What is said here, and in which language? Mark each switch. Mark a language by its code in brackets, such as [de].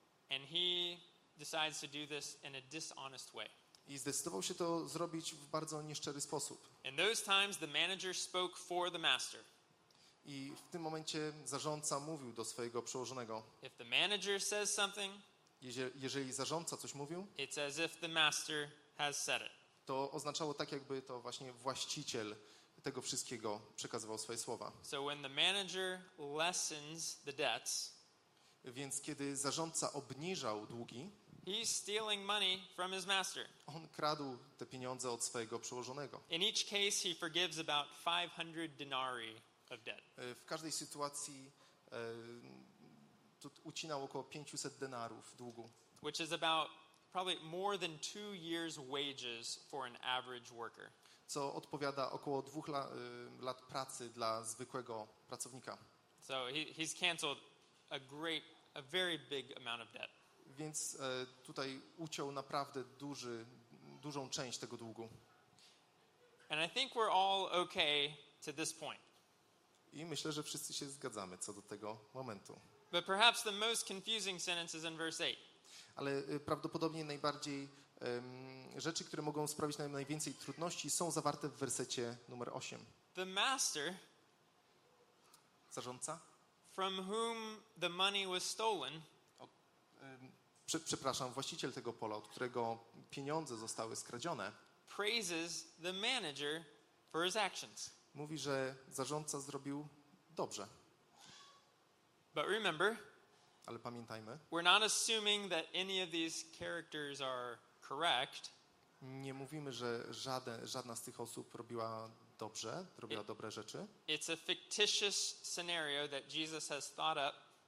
[en] And he decides to do this in a dishonest way. [pl] I zdecydował się to zrobić w bardzo nieszczery sposób. [en] In those times the manager spoke for the master. [pl] I w tym momencie zarządca mówił do swojego przełożonego. [en] If the manager says something, [pl] jeżeli zarządca coś mówił, [en] it's as if the master has said it. [pl] To oznaczało tak, jakby to właśnie właściciel tego wszystkiego przekazywał swoje słowa. [en] So when the manager lessens the debts, [pl] więc kiedy zarządca obniżał długi, [en] he's stealing money from his master. [pl] On kradł te pieniądze od swojego przełożonego. [en] In each case he forgives about 500 denarii of debt. [pl] W każdej sytuacji ucinał około 500 denarów długu. [en] Which is about probably more than 2 years' wages for an average worker. [pl] Co odpowiada około 2 lat pracy dla zwykłego pracownika. [en] So he's canceled a very big amount of debt. [pl] Więc tutaj uciął naprawdę dużą część tego długu. [en] And I think we're all okay to this point. [pl] I myślę, że wszyscy się zgadzamy co do tego momentu. [en] But perhaps the most confusing sentence is in verse 8. [pl] Ale prawdopodobnie najbardziej rzeczy, które mogą sprawić nam najwięcej trudności, są zawarte w wersecie numer 8. [en] The master, [pl] zarządca, [en] from whom the money was stolen. [pl] Przepraszam, właściciel tego pola, od którego pieniądze zostały skradzione. [en] Praises the manager for his actions. [pl] Mówi, że zarządca zrobił dobrze. [en] But remember, [pl] ale pamiętajmy, [en] we're not assuming that any of these characters are correct. [pl] Nie mówimy, że żadna z tych osób robiła dobrze, robiła dobre rzeczy. [en] It's a fictitious scenario that Jesus has thought up.